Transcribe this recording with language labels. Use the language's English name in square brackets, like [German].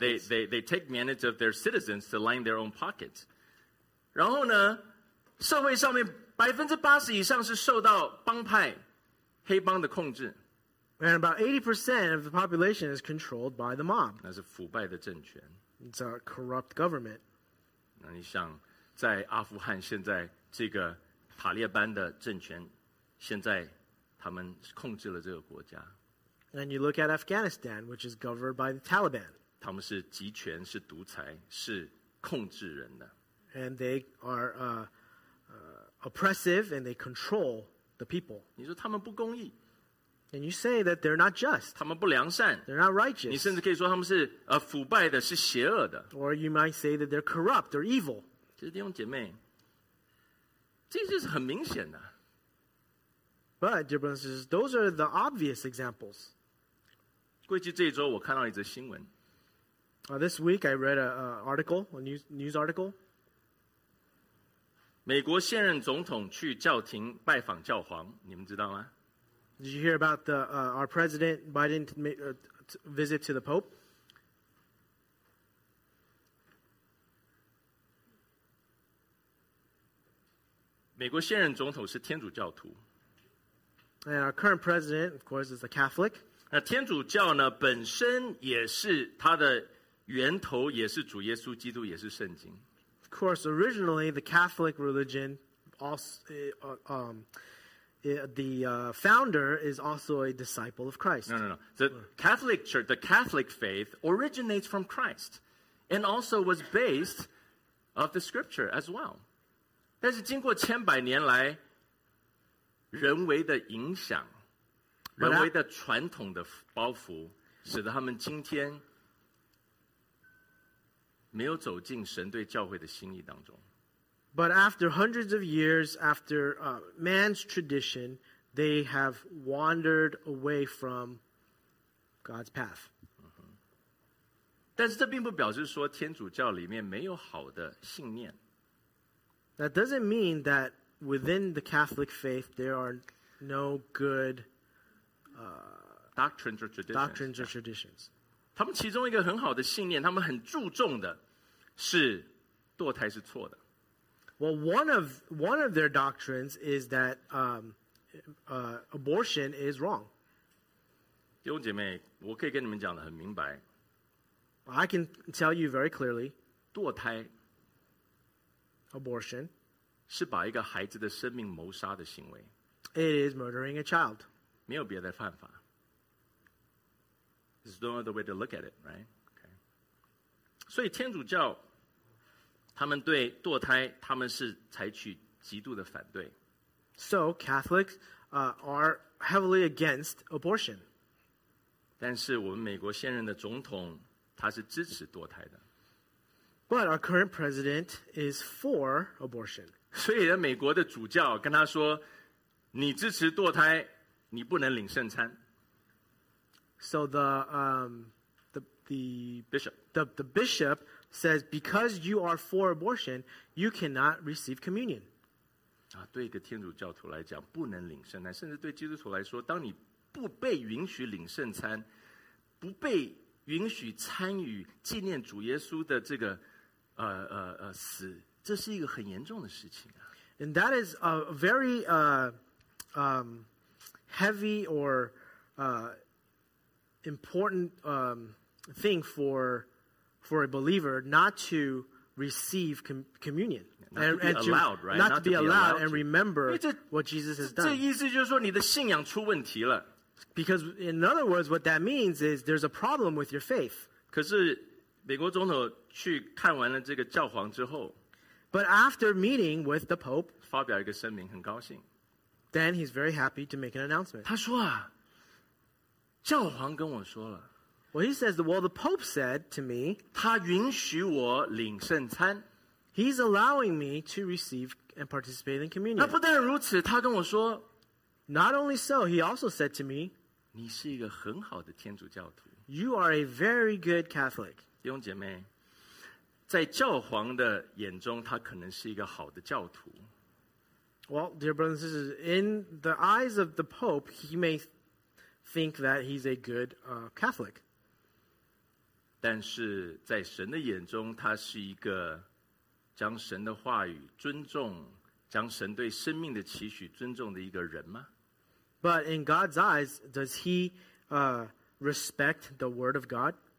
[English] They take advantage of their citizens to line their own pockets. [Chinese] 然后呢，社会上面80%以上是受到帮派、黑帮的控制。 [English] And about 80% of the population is controlled by the mob. [Chinese] 那是腐败的政权。 [English] It's a corrupt government. [Chinese] 那你想，在阿富汗现在这个塔利班的政权，现在他们控制了这个国家。 [English] And you look at Afghanistan, which is governed by the Taliban. [Chinese] 他们是集权，是独裁，是控制人的。 [English] And they are oppressive, and they control the people. [Chinese] 你说他们不公义。 [English] And you say that they're not just. [Chinese] 他们不良善。 [English] They're not righteous. [Chinese] 你甚至可以说他们是腐败的，是邪恶的。 [English] Or you might say that they're corrupt, they're evil. [Chinese] 其实弟兄姐妹，这就是很明显的。 [English] But, dear brothers, those are the obvious examples. [Chinese] 过去这一周我看到一则新闻。 [English] This week I read a news article. [Chinese] 美国现任总统去教廷拜访教皇，你们知道吗？ [English] Did you hear about our President Biden visit to the Pope? [Chinese] 美国现任总统是天主教徒。 [English] And our current president, of course, is a Catholic. [Chinese] 那天主教呢，本身也是他的源头，也是主耶稣基督，也是圣经。 [English] Of course, originally the Catholic religion, also, founder is also a disciple of Christ. No. The Catholic Church, the Catholic faith, originates from Christ, and also was based of the Scripture as well. [Chinese] 但是经过千百年来。人为的影响，人为的传统的包袱，使得他们今天没有走进神对教会的心意当中。 [English] But after hundreds of years, after man's tradition, they have wandered away from God's path. [Chinese] 但是这并不表示说天主教里面没有好的信念。 [English] That doesn't mean that. Within the Catholic faith, there are no good doctrines or traditions. Doctrines or traditions. [Chinese] 他们其中一个很好的信念，他们很注重的是堕胎是错的。 [English] Well, one of their doctrines is that abortion is wrong. [Chinese] 弟兄姐妹，我可以跟你们讲得很明白。 [English] I can tell you very clearly. [Chinese] 堕胎 [English] abortion [Chinese] 是把一个孩子的生命谋杀的行为。 [English] It is murdering a child. [Chinese] 没有别的办法。 [English] There's no other way to look at it, right? Okay. [Chinese] 所以天主教他们对堕胎，他们是采取极度的反对。 [English] So Catholics are heavily against abortion. [Chinese] 但是我们美国现任的总统他是支持堕胎的。 [English] But our current president is for abortion. [Chinese] 所以美国的主教跟他说，你支持堕胎，你不能领圣餐。 [English] So the bishop the bishop says because you are for abortion, you cannot receive communion. [Chinese] 啊，对一个天主教徒来讲，不能领圣餐，甚至对基督徒来说，当你不被允许领圣餐，不被允许参与纪念主耶稣的这个死，这是一个很严重的事情啊。 [English] And that is a very heavy or important thing for a believer not to receive communion. Not to be allowed and remember what Jesus has done. [Chinese] 这意思就是说你的信仰出问题了。 [English] Because in other words, what that means is there's a problem with your faith. [Chinese] 可是美国总统去看完了这个教皇之后, [English] But after meeting with the Pope, [Chinese] 发表一个声明,很高兴。 [English] Then he's very happy to make an announcement. [Chinese] 他说啊,教皇跟我说了。 [English] Well, he says, well, the Pope said to me, [Chinese] 他允许我领圣餐。 [English] He's allowing me to receive and participate in communion. [Chinese] 那不但如此,他跟我说, [English] Not only so, he also said to me, [Chinese] 你是一个很好的天主教徒。 [English] You are a very good Catholic. [Chinese] 弟兄姐妹,在教皇的眼中,他可能是一个好的教徒。 [English] Well, dear brothers and sisters, in the eyes of the Pope, he may think that he's a good Catholic. [Chinese] 但是在神的眼中，他是一个将神的话语尊重，将神对生命的期许尊重的一个人吗？ [English] But in God's eyes, does he respect the word of God?